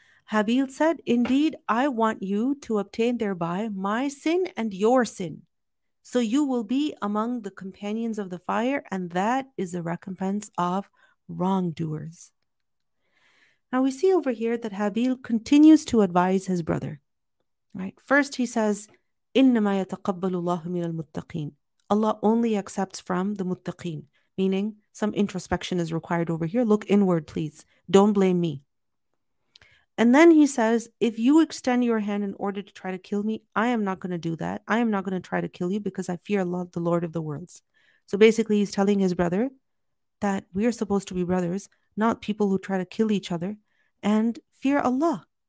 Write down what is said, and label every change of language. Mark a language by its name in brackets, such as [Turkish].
[English] Habil said, indeed, I want you to obtain thereby my sin and your sin. So you will be among the companions of the fire, and that is the recompense of wrongdoers. Now we see over here that Habil continues to advise his brother. Right? [Arabic] First he says, إِنَّمَا يَتَقَبَّلُ اللَّهُ مِنَ الْمُتَّقِينَ. [English] Allah only accepts from the muttaqeen, meaning some introspection is required over here. Look inward, please. Don't blame me. And then he says, if you extend your hand in order to try to kill me, I am not going to do that. I am not going to try to kill you because I fear Allah, the Lord of the worlds. So basically, he's telling his brother that we are supposed to be brothers, not people who try to kill each other and fear Allah.